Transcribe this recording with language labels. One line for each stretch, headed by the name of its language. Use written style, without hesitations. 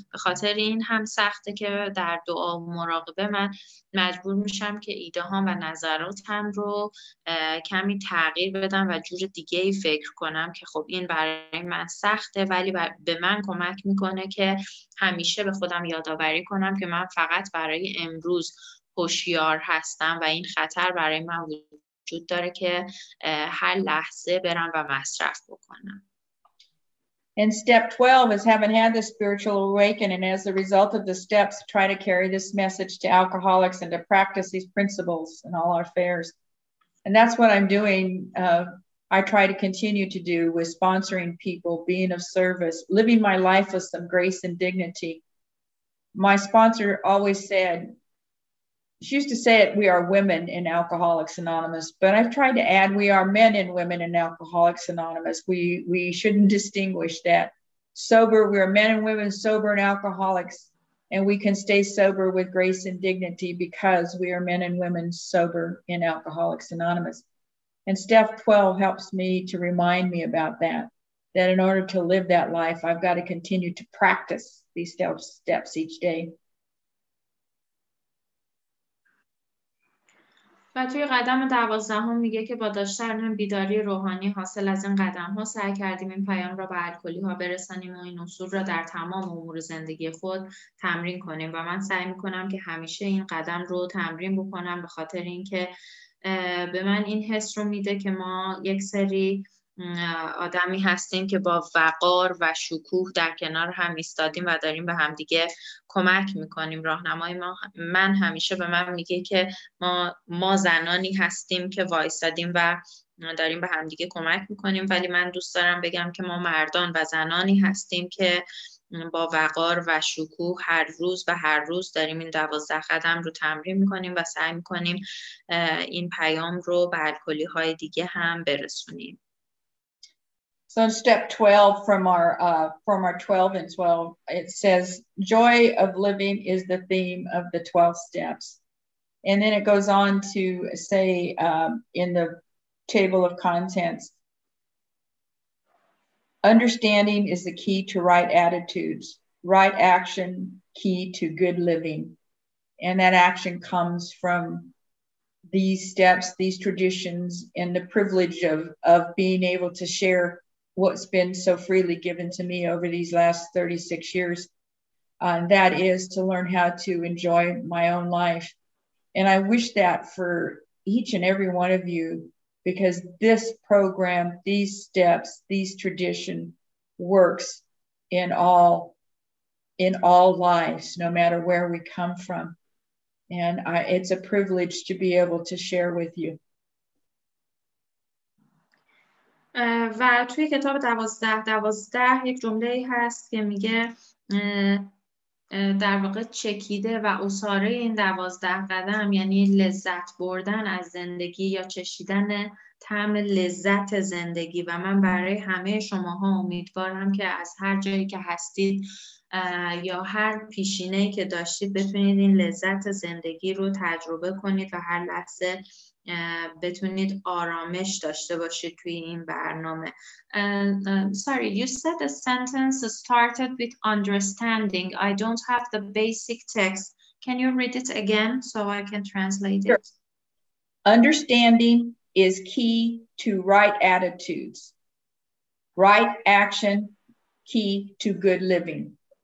Persian: به خاطر این هم سخته که در دعا و مراقبه من مجبور میشم که ایده هام و نظراتم رو کمی تغییر بدم و جور دیگه ای فکر کنم، که خب این برای من سخته ولی به من کمک میکنه که همیشه به خودم یادآوری کنم که من فقط برای امروز هوشیار هستم و این خطر برای من وجود داره که هر لحظه برم و مصرف بکنم.
English: And step 12 is having had the spiritual awakening, and as a result of the steps, try to carry this message to alcoholics and to practice these principles in all our affairs. And that's what I'm doing. I try to continue to do with sponsoring people, being of service, living my life with some grace and dignity. My sponsor always said, she used to say it, we are women in Alcoholics Anonymous, but I've tried to add we are men and women in Alcoholics Anonymous. We shouldn't distinguish that. Sober, we are men and women sober and alcoholics, and we can stay sober with grace and dignity because we are men and women sober in Alcoholics Anonymous. And step 12 helps me to remind me about that, that in order to live that life, I've got to continue to practice these steps each day.
Persian: و توی قدم 12 هم میگه که با داشتن بیداری روحانی حاصل از این قدم ها سعی کردیم این پیام را به الکلی ها برسانیم و این اصول را در تمام امور زندگی خود تمرین کنیم و من سعی میکنم که همیشه این قدم رو تمرین بکنم به خاطر اینکه به من این حس رو میده که ما یک سری آدمی هستیم که با وقار و شکوه در کنار هم ایستادیم و داریم به هم دیگه کمک میکنیم. راهنمای ما من همیشه به من میگه که ما زنانی هستیم که وایستادیم و داریم به هم دیگه کمک میکنیم، ولی من دوست دارم بگم که ما مردان و زنانی هستیم که با وقار و شکوه هر روز و هر روز داریم این 12 قدم رو تمرین میکنیم و سعی میکنیم این پیام رو به الکلی های دیگه هم برسونیم.
English: So in step 12 from our 12 and 12, it says, joy of living is the theme of the 12 steps. And then it goes on to say in the table of contents, understanding is the key to right attitudes, right action, key to good living. And that action comes from these steps, these traditions, and the privilege of being able to share what's been so freely given to me over these last 36 years, that is to learn how to enjoy my own life. And I wish that for each and every one of you, because this program, these steps, these tradition works in all lives, no matter where we come from. And it's a privilege to be able to share with you.
Persian: و توی کتاب 12-12 یک جمله هست که میگه در واقع چکیده و اصاره این 12 قدم، یعنی لذت بردن از زندگی یا چشیدن طعم لذت زندگی. و من برای همه شماها امیدوارم که از هر جایی که هستید یا هر پیشینه‌ای که داشتید بتونید این لذت زندگی رو تجربه کنید و هر لحظه بتونید آرامش داشته باشید توی این برنامه.
English: Sorry, you said the sentence started with understanding. I don't have the basic text. Can you read it again so I can translate it? Sure. Understanding is key to right attitudes. Right action, key to good living.